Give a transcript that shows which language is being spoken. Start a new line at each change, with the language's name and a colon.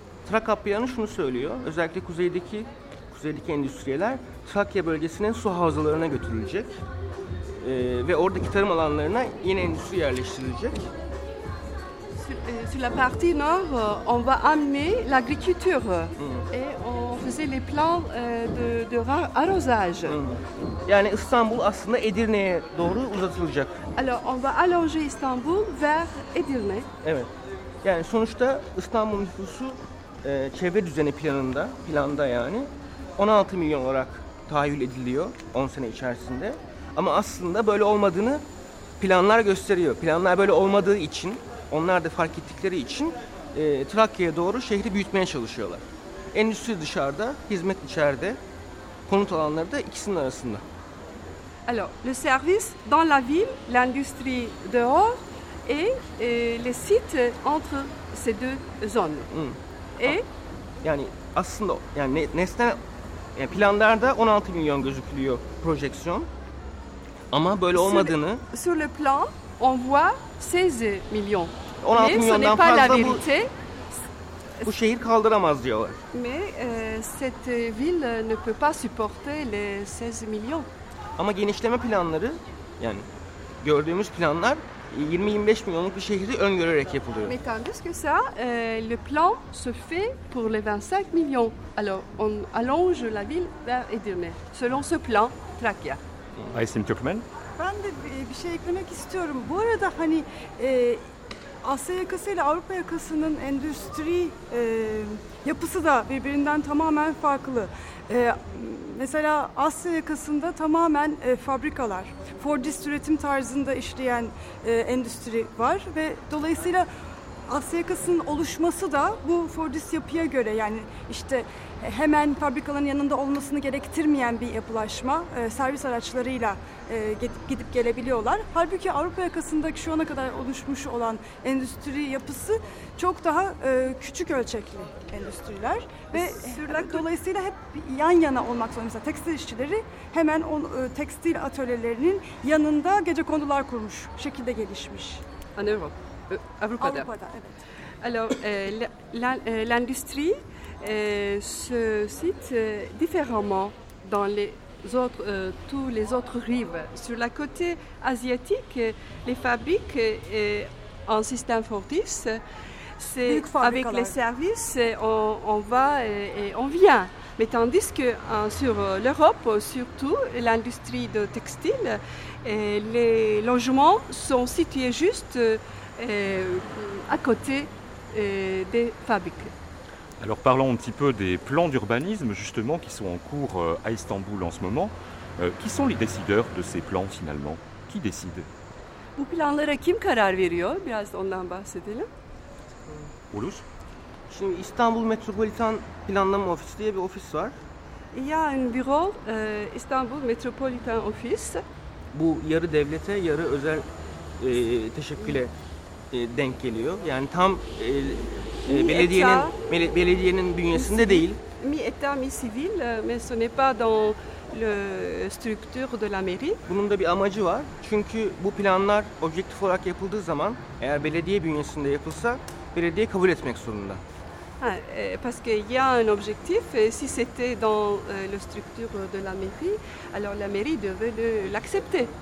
Turkish: Trakya planı şunu söylüyor. Özellikle kuzeydeki endüstriyeler Trakya bölgesinin su havzalarına götürülecek. Ve oradaki tarım alanlarına yeni endüstri yerleştirilecek.
French: Sur la partie nord, on va amener l'agriculture et on faisait les plans de arrosage.
Turkish: Yani İstanbul aslında Edirne'ye doğru uzatılacak.
French: Alors on va allonger Istanbul vers Edirne.
Turkish: Evet. Yani sonuçta İstanbul nüfusu çevre düzeni planda yani 16 milyon olarak tahayyül ediliyor 10 sene içerisinde. Ama aslında böyle olmadığını planlar gösteriyor. Planlar böyle olmadığı için, onlar da fark ettikleri için Trakya'ya doğru şehri büyütmeye çalışıyorlar. Endüstri dışarıda, hizmet içeride, konut alanları da ikisinin arasında.
French: Alors, le service dans la ville, l'industrie dehors et les sites entre ces deux zones.
Turkish: Yani aslında yani nesne yani planlarda 16 milyon gözüküyor projeksiyon. Ama böyle olmadığını.
French: Sur le plan, on voit 16 milyon.
Turkish: 16 milyondan fazla bu şehir kaldıramaz diyorlar.
French: Mais cette ville ne peut pas supporter les 16 milyon.
Turkish: Ama genişleme planları yani gördüğümüz planlar 20-25 milyonluk bir şehri öngörerek yapılıyor.
French: Mais tandis que ça, le plan se fait pour les 25 millions. Alors, on allonge la ville vers Edirne. Selon ce plan, Trakya. Aysim Türkmen.
Turkish: Ben de bir şey eklemek istiyorum. Bu arada hani Asya yakası ile Avrupa yakasının endüstri yapısı da birbirinden tamamen farklı. Mesela Asya yakasında tamamen fabrikalar, Fordist üretim tarzında işleyen endüstri var ve dolayısıyla Asya yakasının oluşması da bu Fordist yapıya göre yani işte hemen fabrikaların yanında olmasını gerektirmeyen bir yapılaşma servis araçlarıyla gidip gelebiliyorlar. Halbuki Avrupa yakasındaki şu ana kadar oluşmuş olan endüstri yapısı çok daha küçük ölçekli endüstriler. Ve dolayısıyla hep yan yana olmak zorunda. Mesela tekstil işçileri hemen tekstil atölyelerinin yanında gecekondular kurmuş şekilde gelişmiş. Avrupa'da evet.
French: Alors, l'industrie se cite différemment dans les autres, tous les autres rives. Sur la côté asiatique, les fabriques en système Fordist, c'est avec les services, on va et on vient. Mais tandis que sur l'Europe, surtout l'industrie de textile, les logements sont situés juste à côté des fabriques. Alors parlons un petit peu des plans d'urbanisme justement qui sont en cours à Istanbul en ce moment. Qui sont les décideurs de ces plans finalement? Qui décide?
Turkish: Bu planlara kim karar veriyor? Biraz ondan bahsedelim. Ulus. Şimdi İstanbul Metropolitan Planlama Ofisi diye bir ofis var.
French: Il y a un bureau Istanbul Metropolitan Office.
Turkish: Bu yarı devlete yarı özel teşekküle denk geliyor. Yani tam belediyenin bünyesinde değil.
French: Mi état, mi civil, mais ce n'est pas dans le structure de la mairie.
Turkish: Bunun da bir amacı var. Çünkü bu planlar objektif olarak yapıldığı zaman, eğer belediye bünyesinde yapılsa, belediye kabul etmek zorunda.
French: Parce qu'il y a un objectif, si c'était dans la structure de la mairie, alors la mairie devait l'accepter.